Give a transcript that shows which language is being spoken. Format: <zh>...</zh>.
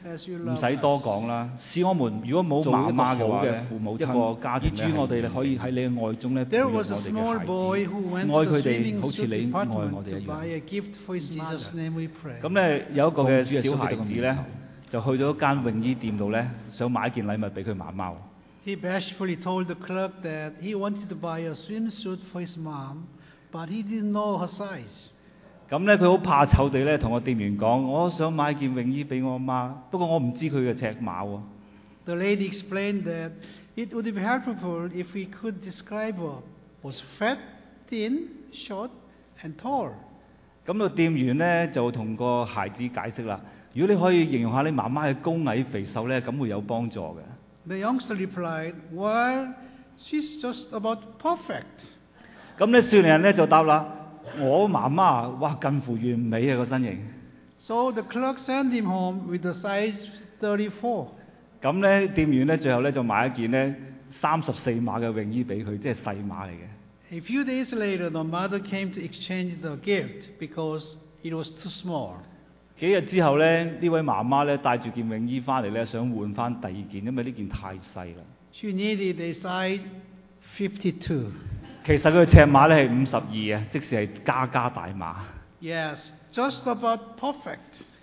<yue>唔使多講啦，使我們如果冇媽媽嘅話咧，父母親一個家庭咧，以致我哋咧可以喺你嘅愛中咧培養我哋嘅孩子，愛佢哋好似你愛我哋一樣。咁咧有一個嘅小孩子咧。就去咗一間泳衣店度咧，想買一件禮物俾佢媽媽。</yue> <en>He bashfully told the clerk that he wanted to buy a swimsuit for his mom, but he didn't know her size.</en> <yue>咁咧，佢好怕醜地咧，同個店員講：我想買件泳衣俾我媽，不過我唔知佢嘅尺碼喎。</yue> <en>The lady explained that it would be helpful if we could describe her. Was fat, thin, short, and tall.</en> <yue>咁個店員咧就同個孩子解釋啦。如果你可以形容下你媽媽嘅高矮肥瘦咧，咁會有幫助嘅。</yue> <en>The youngster replied, "Well, she's just about perfect."</en> <yue>咁咧，少年人咧就答啦：我媽媽哇，近乎完美啊個身形。</yue> <en>So the clerk sent him home with a size 34.</en> <yue>咁咧，店員咧最後咧就買一件咧34碼嘅泳衣俾佢，即係細碼嚟嘅。</yue> <en>A few days later, the mother came to exchange the gift because it was too small.</en> <yue>幾日之後咧，呢位媽媽咧帶住件泳衣翻嚟咧，想換翻第二件，因為呢件太細啦。</yue> <en>She needed a size 52。</en> <yue>其實佢尺碼咧係52啊，即使係加加大碼。</yue> <en>Yes, just about perfect。</en>